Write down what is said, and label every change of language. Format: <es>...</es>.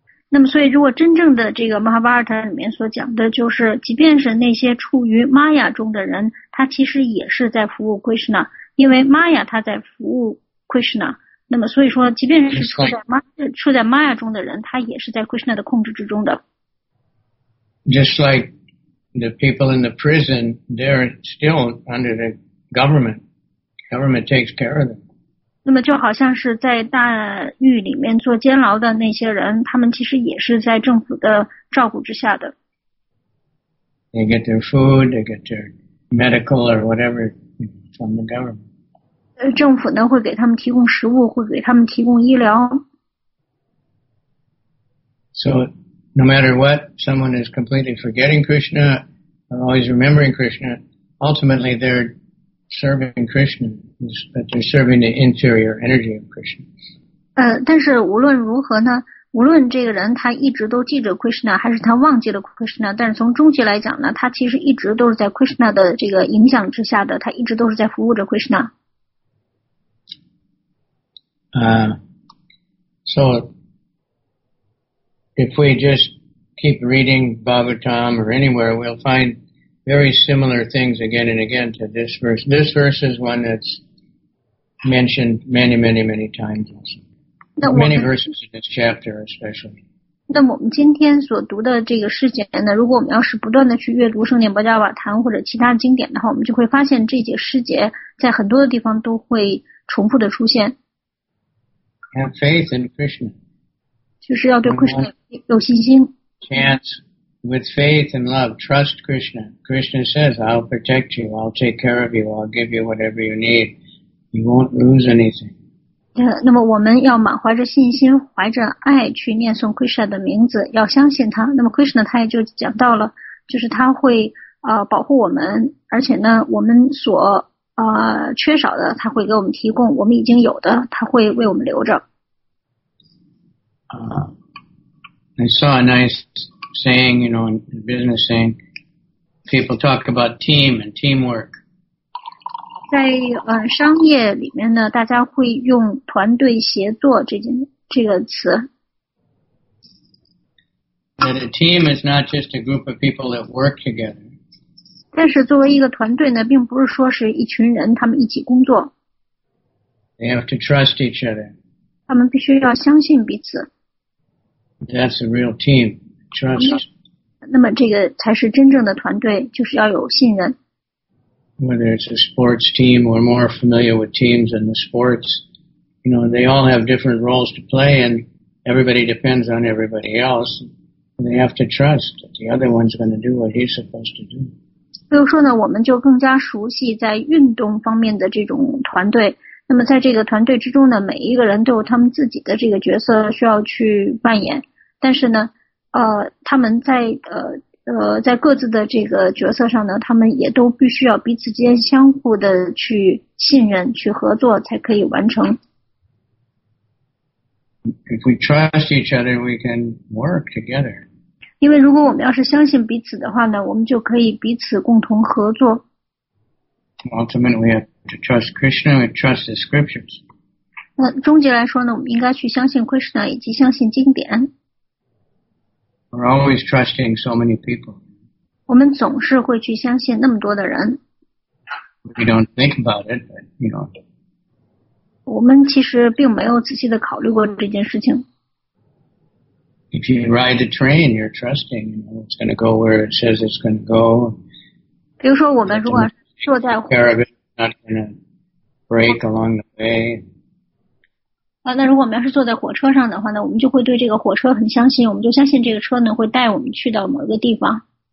<zh>那么所以如果真正的这个 Mahabharata 里面所讲的就是，即便是那些处于 Maya 中的人，他其实也是在服务 Krishna, 因为 Maya 他在服务 Krishna。那么所以说即便是处在 Maya 中的人，他也是在 Krishna 的控制之中的。</zh> <en>Just like the people in the prison, they're still under the government. Government takes care of them.</en> <zh>那么就好像是在大狱里面做监牢的那些人，他们其实也是在政府的照顾之下的。</zh> <en>They get their food, they get their medical or whatever from the government.</en> <zh>政府呢会给他们提供食物，会给他们提供医疗。</zh> <en>So, no matter what, someone is completely forgetting Krishna or always remembering Krishna, ultimately they're serving Krishna, but they're serving the interior energy of Krishna.</en> <zh>但是无论如何呢，无论这个人他一直都记着 Krishna, 还是他忘记了 Krishna, 但是从终极来讲呢，他其实一直都是在 Krishna 的这个影响之下的，他一直都是在服务着 Krishna。</zh> <en>So, if we just keep reading Bhagavatam or anywhere, we'll find very similar things again and again to this verse. This verse is one that's mentioned many, many, many times also. Many verses in this chapter especially.</en> <zh>那我们今天所读的这个事件呢，如果我们要是不断的去阅读圣典《百家瓦坛》或者其他经典的话，我们就会发现这节诗节在很多的地方都会重复的出现。</zh> <en>Have faith in Krishna.</en> <zh>就是要对 Krishna 有信心。</zh> <en>Chant with faith and love. Trust Krishna. Krishna says, I'll protect you. I'll take care of you. I'll give you whatever you need. You won't lose anything.</en> <zh>那么我们要满怀着信心，怀着爱去念诵 Krishna 的名字，要相信他。那么 Krishna 他也就讲到了，就是他会保护我们，而且呢，我们所缺少的他会给我们提供，我们已经有的他会为我们留着。</zh> <en>I saw a nice saying, you know, in business saying, people talk about team and teamwork.</en> <zh>在商业里面呢，大家会用团队协作这个词。</zh> <en>That a team is not just a group of people that work together.</en> <zh>但是作为一个团队呢，并不是说是一群人他们一起工作。</zh> <en>They have to trust each other.</en> <zh>他们必须要相信彼此。</zh> <en>That's a real team. Trust.</en> <zh>那么这个才是真正的团队，就是要有信任。</zh> <en>Whether it's a sports team, we're more familiar with teams in the sports you know, they all have different roles to play and everybody depends on everybody else. And they have to trust that the other one's going to do what he's supposed to do.</en> <zh>所以说呢，我们就更加熟悉在运动方面的这种团队。那么在这个团队之中呢，每一个人都有他们自己的这个角色需要去扮演。但是呢，他们在各自的这个角色上呢，他们也都必须要彼此间相互的去信任、去合作，才可以完成。</zh> <en>If we trust each other, we can work together.</en> <zh>因为如果我们要是相信彼此的话呢，我们就可以彼此共同合作。</zh> <en>Ultimately, we have to trust Krishna and trust the scriptures.</en> <zh>那终极来说呢，我们应该去相信 Krishna 以及相信经典。</zh> <en>We're always trusting so many people.</en> <zh>我们总是会去相信那么多的人。</zh> <en>We don't think about it, but you know.</en> <zh>我们其实并没有仔细地考虑过这件事情。</zh> <en>If you ride the train, you're trusting, you know, it's going to go where it says it's going to go.</en> <zh>比如说我们如果坐在</zh> <en>caravan, not going to break along the way.</en> <zh>那如果我们要是坐在火车上的话呢，我们就会对这个火车很相信，我们就相信这个车呢会带我们去到某个地方。</zh>